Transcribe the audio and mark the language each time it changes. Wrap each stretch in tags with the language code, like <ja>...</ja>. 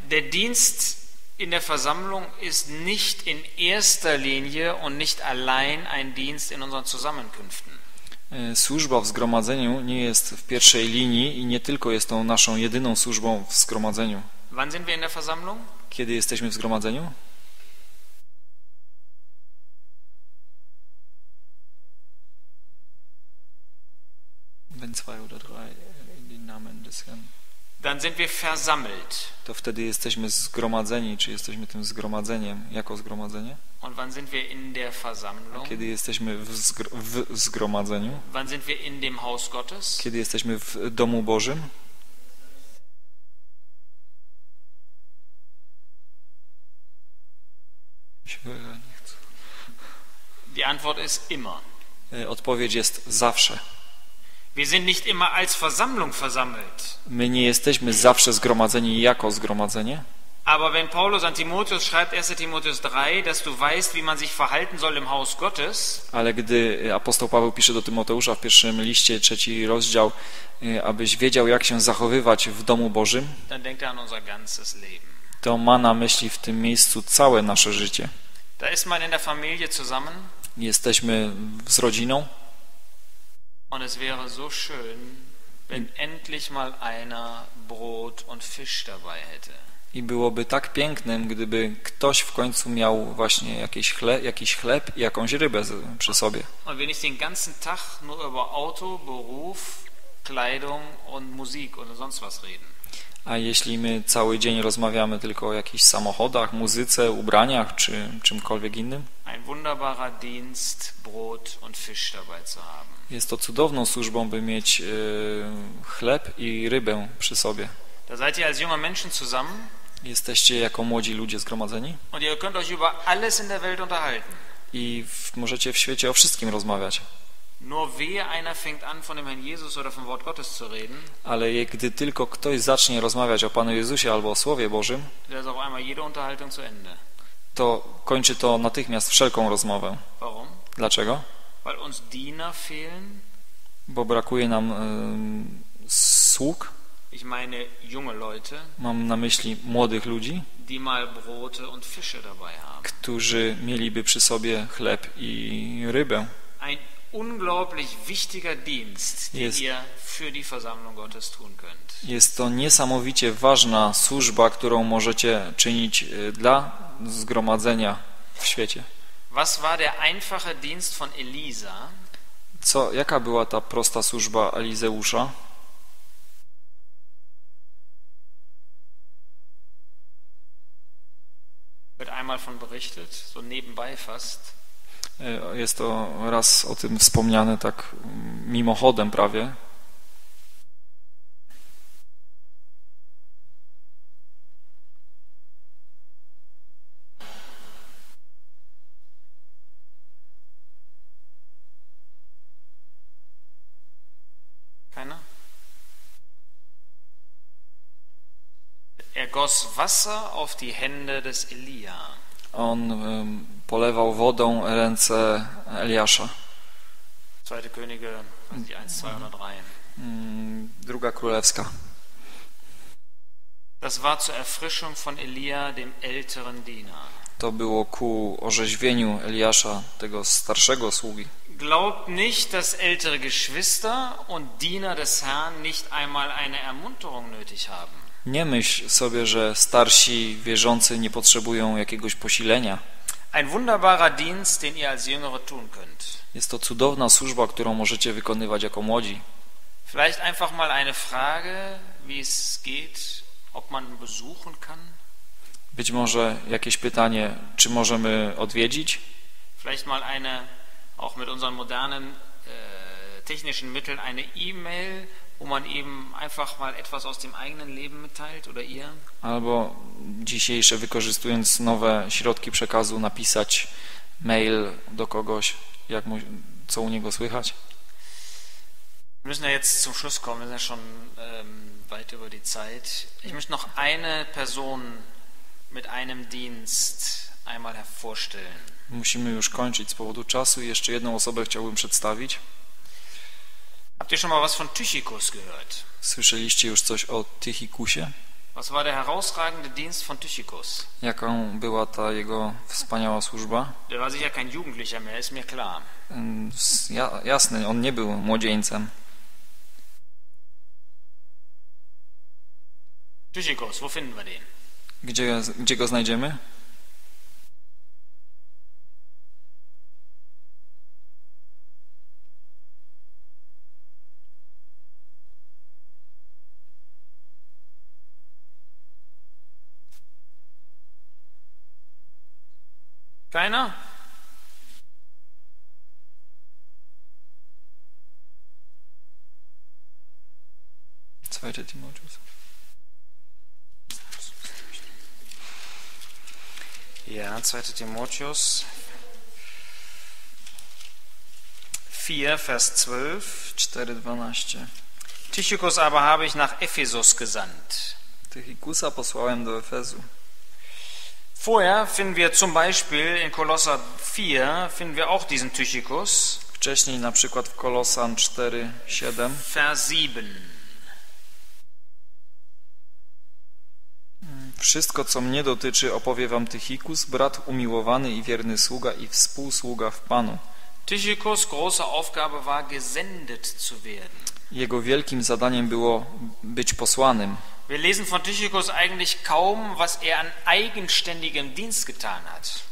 <de>Der Dienst in der Versammlung ist nicht in erster Linie und nicht allein ein Dienst in unseren Zusammenkünften.</de> <pl>Służba w zgromadzeniu nie jest w pierwszej linii i nie tylko jest tą naszą jedyną służbą w zgromadzeniu.</pl> <de>Wann sind wir in der Versammlung?</de> <pl>Kiedy jesteśmy w zgromadzeniu?</pl> <de>Wenn zwei oder drei in den Namen des Herrn. Dann sind wir versammelt.</de> <pl>To wtedy jesteśmy zgromadzeni, czy jesteśmy tym zgromadzeniem, jako zgromadzenie?</pl> <de>Und wann sind wir in der Versammlung?</de> <pl>Kiedy jesteśmy w zgromadzeniu?</pl> <de>Wann sind wir in dem Haus Gottes?</de> <pl>Kiedy jesteśmy w domu Bożym?</pl> <de>Die Antwort ist immer.</de> <pl>Odpowiedź jest zawsze.</pl> <de>Wir sind nicht immer als Versammlung versammelt.</de> <pl>My nie jesteśmy zawsze zgromadzeni jako zgromadzenie.</pl> <de>Aber wenn Paulus an Timotheus schreibt, 1. Timotheus 3, dass du weißt, wie man sich verhalten soll im Haus Gottes.</de> <pl>Ale gdy apostoł Paweł pisze do Tymoteusza w pierwszym liście, 3. rozdział, abyś wiedział, jak się zachowywać w domu Bożym,</pl> <de>dann denkt er an unser ganzes Leben.</de> <pl>To ma na myśli w tym miejscu całe nasze życie.</pl> <de>Da ist man in der Familie zusammen.</de> <pl>Jesteśmy z rodziną.</pl> <de>Und es wäre so schön, wenn endlich mal einer Brot und Fisch dabei hätte.</de> <pl>I byłoby tak piękne, gdyby ktoś w końcu miał właśnie jakiś chleb i jakąś rybę przy sobie.</pl> <de>Und wenn ich den ganzen Tag nur über Auto, Beruf, Kleidung und Musik oder sonst was reden.</de> <pl>A jeśli my cały dzień rozmawiamy tylko o jakichś samochodach, muzyce, ubraniach czy czymkolwiek innym?</pl> <de>Ein wunderbarer Dienst, Brot und Fisch dabei zu haben.</de> <pl>Jest to cudowną służbą, by mieć chleb i rybę przy sobie.</pl> <de>Da seid ihr als junge Menschen zusammen.</de> <pl>Jesteście jako młodzi ludzie zgromadzeni.</pl> <de>Und ihr könnt euch über alles in der Welt unterhalten.</de> <pl>I możecie w świecie o wszystkim rozmawiać.</pl> <de>Nur wehe einer fängt an, von dem Herrn Jesus oder vom Wort Gottes zu reden.</de> <pl>Ale gdy tylko ktoś zacznie rozmawiać o Panu Jezusie albo o Słowie Bożym,</pl> <de>da ist auf einmal jede Unterhaltung zu Ende.</de> <pl>To kończy to natychmiast wszelką rozmowę.</pl> <de>Warum?</de> <pl>Dlaczego?</pl> <de>Weil uns Diener fehlen.</de> <pl>Bo brakuje nam sług.</pl> <de>Ich meine junge Leute.</de> <pl>Mam na myśli młodych ludzi.</pl> <de>Die mal Brote und Fische dabei haben.</de> <pl>Którzy mieliby przy sobie chleb i rybę.</pl> <de>Ein unglaublich wichtiger Dienst, den ihr für die Versammlung Gottes tun könnt.</de> <pl>Jest to niesamowicie ważna służba, którą możecie czynić dla zgromadzenia w świecie.</pl> <de>Was war der einfache Dienst von Elisa?</de> <pl>Co, jaka była ta prosta służba Elizeusza?</pl> <de>Wird einmal von berichtet, so nebenbei fast.</de> <pl>Jest to raz o tym wspomniane tak mimochodem prawie.</pl> <de>Er goss Wasser auf die Hände des Elia.</de> <pl>On polewał wodą ręce Eliasza.</pl> <de>Zweite Könige, 1, 2 oder 3.</de> <pl>Druga Królewska.</pl> <de>Das war zur Erfrischung von Elia, dem älteren Diener.</de> <pl>To było ku orzeźwieniu Eliasza, tego starszego sługi.</pl> <de>Glaubt nicht, dass ältere Geschwister und Diener des Herrn nicht einmal eine Ermunterung nötig haben.</de> <pl>Nie myśl sobie, że starsi wierzący nie potrzebują jakiegoś posilenia.</pl> <de>Ein wunderbarer Dienst, den ihr als jüngere tun könnt.</de> <pl>Jest to cudowna służba, którą możecie wykonywać jako młodzi.</pl> <de>Vielleicht einfach mal eine Frage, wie es geht, ob man besuchen kann.</de> <pl>Być może jakieś pytanie, czy możemy odwiedzić?</pl> <de>Vielleicht mal eine auch mit unseren modernen technischen Mitteln eine E-Mail, wo man eben einfach mal etwas aus dem eigenen Leben mitteilt oder ihr.</de> <pl>Albo dzisiejsze, wykorzystując nowe środki przekazu, napisać mail do kogoś, jak mu, co u niego słychać.</pl> <de>Wir müssen ja jetzt zum Schluss kommen, wir sind ja schon weit über die Zeit. Ich möchte noch eine Person mit einem Dienst einmal hervorstellen.</de> <pl>Musimy już kończyć z powodu czasu. Jeszcze jedną osobę chciałbym przedstawić.</pl> <de>Habt ihr schon mal was von Tychikus gehört?</de> <pl>Słyszeliście już coś o Tychikusie?</pl> <de>Was war der herausragende Dienst von Tychikus?</de> <pl>Jaką była ta jego wspaniała służba?</pl> <de>Der war sicher kein Jugendlicher mehr, ist mir klar.</de> <pl>Jasne, on nie był młodzieńcem.</pl> <de>Tychikus, wo finden wir den?</de> <pl>Gdzie go znajdziemy?</pl> <de>Keiner? Zweite Timotheus. Ja, zweite Timotheus. 4, Vers 12.</de> <pl>4, 12.</pl> <de>Tychikus aber habe ich nach Ephesus gesandt.</de> <pl>Tychikusa posłałem do Efezu.</pl> <de>Vorher finden wir zum Beispiel in Kolosser 4 finden wir auch diesen Tychikus.</de> <pl>Wcześniej na przykład w Kolosan 4, 7.</pl> <de>Vers 7.</de> <pl>Wszystko, co mnie dotyczy, opowie wam Tychikus, brat umiłowany i wierny sługa i współsługa w Panu.</pl> <de>Tychikus große Aufgabe war, gesendet zu werden.</de> <pl>Jego wielkim zadaniem było być posłanym.</pl> <de>Wir lesen von Tychikus eigentlich kaum, was an eigenständigem Dienst getan hat.</de>